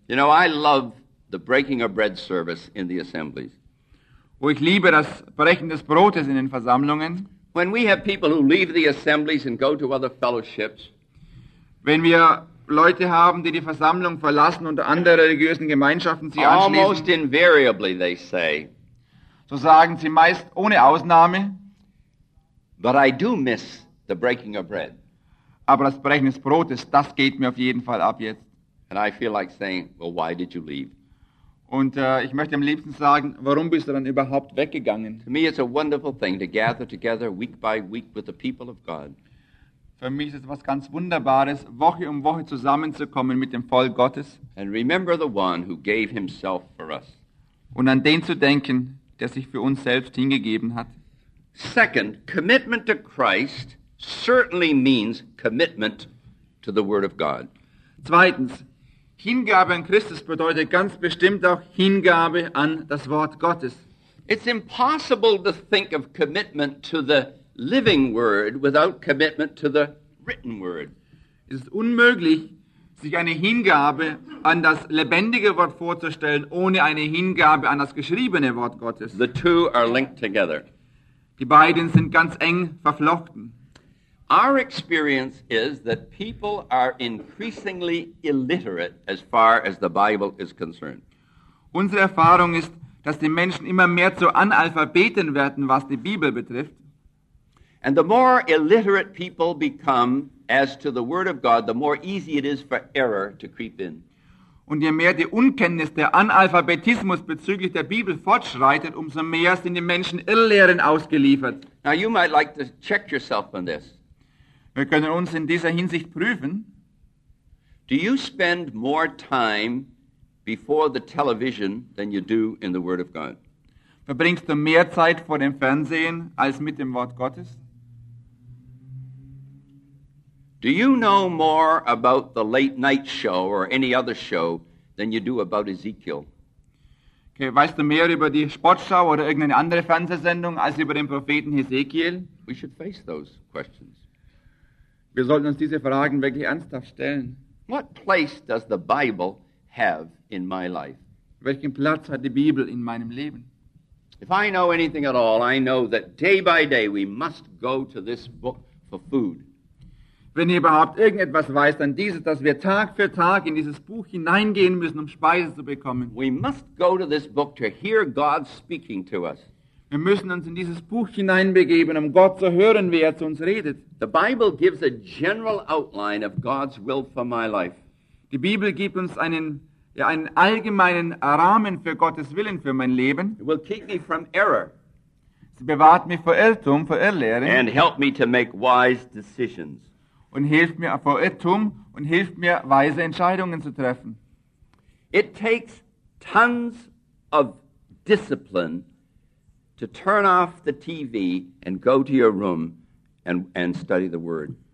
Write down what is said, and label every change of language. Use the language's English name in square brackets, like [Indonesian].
[English] You know, I love the breaking of bread service in the assemblies. [German] Wo ich liebe das Brechen des Brotes in den Versammlungen. [English] When we have people who leave the assemblies and go to other fellowships. [German] Wenn wir Leute haben, die die Versammlung verlassen und andere religiösen Gemeinschaften sie anschließen. [English] Almost invariably they say. [German] So sagen sie meist ohne Ausnahme. [English] But I do miss the breaking of bread. [German] Aber das Brechen des Brotes, das geht mir auf jeden Fall ab jetzt. [English] And I feel like saying, well, why did you leave? [German] Und ich möchte am liebsten sagen, warum bist du dann überhaupt weggegangen? [English] To me it's a wonderful thing to gather together week by week with the people of God. [German] Für mich ist es was ganz Wunderbares, Woche um Woche zusammenzukommen mit dem Volk Gottes. [English] And remember the one who gave himself for us. [German] Und an den zu denken, der sich für uns selbst hingegeben hat. [English] Second, commitment to Christ certainly means commitment to the Word of God. [German] Zweitens, Hingabe an Christus bedeutet ganz bestimmt auch Hingabe an das Wort Gottes. [English] It's impossible to think of commitment to the living Word without commitment to the written Word. [German] Es ist unmöglich, sich eine Hingabe an das lebendige Wort vorzustellen, ohne eine Hingabe an das geschriebene Wort Gottes. [English] The two are linked together. [German] Die beiden sind ganz eng verflochten. [English] Our experience is that people are increasingly illiterate as far as the Bible is concerned. [German] Unsere Erfahrung ist, dass die Menschen immer mehr zu Analphabeten werden, was die Bibel betrifft. [English] And the more illiterate people become as to the Word of God, the more easy it is for error to creep in. [German] Und je mehr die Unkenntnis, der Analphabetismus bezüglich der Bibel fortschreitet, umso mehr sind die Menschen Irrlehren ausgeliefert. [English] Now you might like to check yourself on this. [German] Wir können uns in dieser Hinsicht prüfen. [English] Do you spend more time before the television than you do in the Word of God? [German] Verbringst du mehr Zeit vor dem Fernsehen als mit dem Wort Gottes? [English] Do you know more about the late night show or any other show than you do about Ezekiel? [German] Okay, weißt du mehr über die Sportschau oder irgendeine andere Fernsehsendung als über den Propheten Ezekiel? [English] We should face those questions. [German] Wir sollten uns diese Fragen wirklich ernsthaft stellen. [English] What place does the Bible have in my life? [German] Welchen Platz hat die Bibel in meinem Leben? [English] If I know anything at all, I know that day by day we must go to this book for food. [German] Wenn ihr überhaupt irgendetwas weißt, dann dieses, dass wir Tag für Tag in dieses Buch hineingehen müssen, um Speise zu bekommen. [English] We must go to this book to hear God speaking to us. [German] Wir müssen uns in dieses Buch hineinbegeben, um Gott zu hören, wie er zu uns redet. [English] The Bible gives a general outline of God's will for my life. [German] Die Bibel gibt uns einen allgemeinen Rahmen für Gottes Willen für mein Leben. [English] It will keep me from error. [German] Sie bewahrt mich vor Irrtum, vor Irrlehren. [English] And help me to make wise decisions. [German] Und hilft mir vor Irrtum und hilft mir, weise Entscheidungen zu treffen. [English] It takes tons of discipline to turn off the TV and go to your room and study the Word.